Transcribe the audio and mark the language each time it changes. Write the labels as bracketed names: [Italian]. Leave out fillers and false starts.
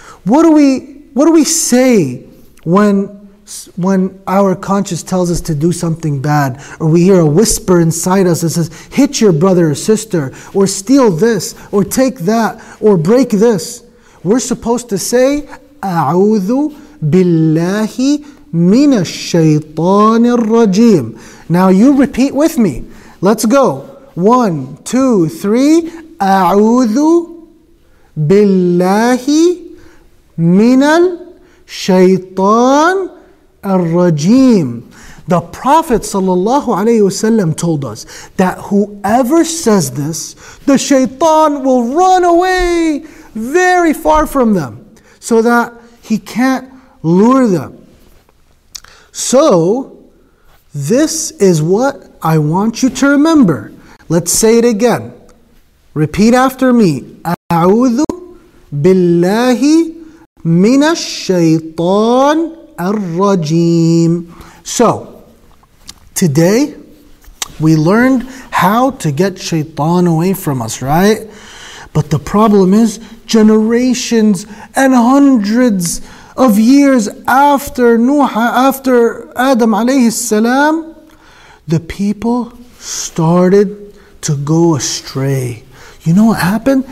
[English] What do we say when our conscience tells us to do something bad? Or we hear a whisper inside us that says, hit your brother or sister, or steal this, or take that, or break this. We're supposed to say, [Arabic] أعوذ بالله من الشيطان الرجيم. [English] Now you repeat with me. Let's go. One, two, three. [Arabic] أعوذ بِاللَّهِ مِنَ الشَّيْطَانِ الرَّجِيمِ. [English] The Prophet ﷺ told us that whoever says this, the shaitan will run away very far from them so that he can't lure them. So, this is what I want you to remember. Let's say it again. Repeat after me. [Arabic] أَعُوذُ بالله من الشيطان الرجيم. [English] So, today we learned how to get shaitan away from us, right? But the problem is, generations and hundreds of years after Nuh, after Adam alayhi salam, the people started to go astray. You know what happened?